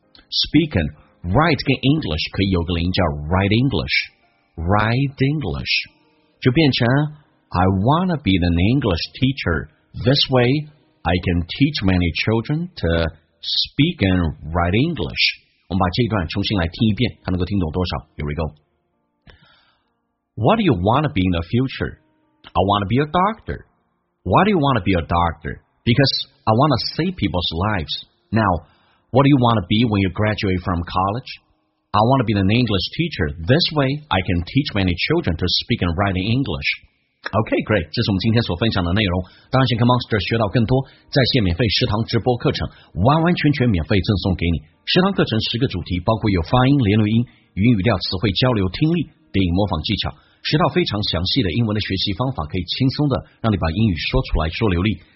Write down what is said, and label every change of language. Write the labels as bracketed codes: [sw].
[en] speaken write [zh] 跟 [en] English [zh] 可以有个连叫 [en] write English， write English [zh] 就变成 [en] I wanna be an English teacher， this way I can teach many children to speak and write English。 [zh] 我们把这一段重新来听一遍，看能够听懂多少。 [en] Here we go. What do you want to be in the future? I want to be a doctor. Why do you want to be a doctor? Because I want to save people's lives. Now, what do you want to be when you graduate from college? I want to be an English teacher. This way, I can teach many children to speak and write in English. Okay, great. [zh] 这是我们今天所分享的内容。当然，想跟 Monster 学到更多在线免费食堂直播课程，完完全全免费赠送给你。食堂课程十个主题，包括有发音、连读音、语音语调、词汇交流、听力、电影模仿技巧，十套非常详细的英文的学习方法，可以轻松的让你把英语说出来说流利。